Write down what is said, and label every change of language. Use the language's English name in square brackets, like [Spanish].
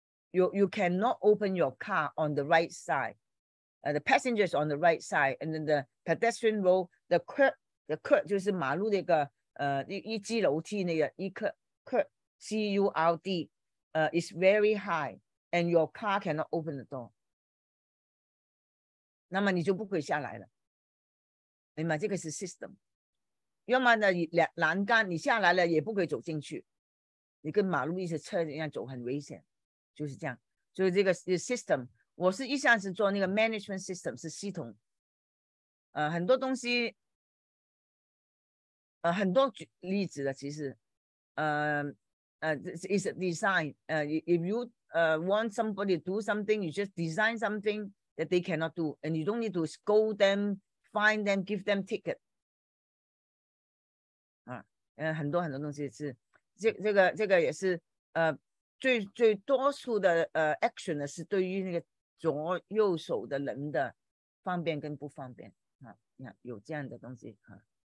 [English] You cannot open your car on the right side. The passengers on the right side, and then the pedestrian road, the curb [Chinese] 就是马路那个一级楼梯那个一 [English] curb C U R D, is very high, and your car cannot open the door. [Chinese] 那么你就不可以下来了，明白？这个是 system. 要么呢，栏杆你下来了也不可以走进去，你跟马路一些车一样走很危险。就是这样，就是这个 system。我是一向是做那个 management system， 是系统。很多东西，很多例子的其实， [English] is a design。 If you want somebody to do something, you just design something that they cannot do, and you don't need to scold them, find them, give them ticket。 [Chinese] 很多很多东西是，这个也是，最多数的action 呢是对于那个左右手的人的方便跟不方便啊，你看有这样的东西啊。